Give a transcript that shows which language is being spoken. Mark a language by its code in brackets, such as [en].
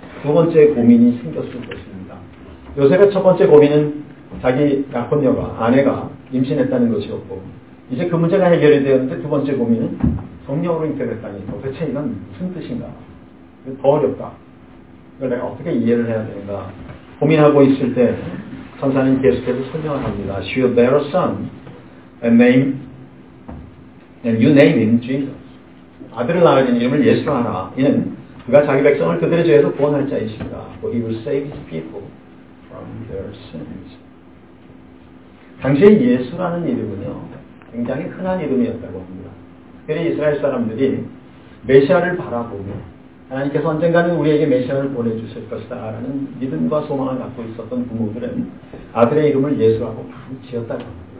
[ko] 두 번째 고민이 생겼을 것입니다. 요셉의 첫 번째 고민은 자기 약혼녀가, 아내가 임신했다는 것이었고, 이제 그 문제가 해결이 되었는데 두 번째 고민은 성령으로 잉태됐다니 도대체 이건 무슨 뜻인가? 더 어렵다. 이걸 내가 어떻게 이해를 해야 되는가? 고민하고 있을 때 천사는 계속해서 설명을 합니다. [en] She will bear a son and you name him Jesus. [ko] 아들을 낳으신 이름을 예수라 하라. 이는 그가 자기 백성을 그들의 죄에서 구원할 자이십니다. [en] For he will save his people from their sins. [ko] 당시에 예수라는 이름은요, 굉장히 흔한 이름이었다고 합니다. 특별히 이스라엘 사람들이 메시아를 바라보며 하나님께서 언젠가는 우리에게 메시아를 보내주실 것이다 라는 믿음과 소망을 갖고 있었던 부모들은 아들의 이름을 예수라고 많이 지었다고 합니다.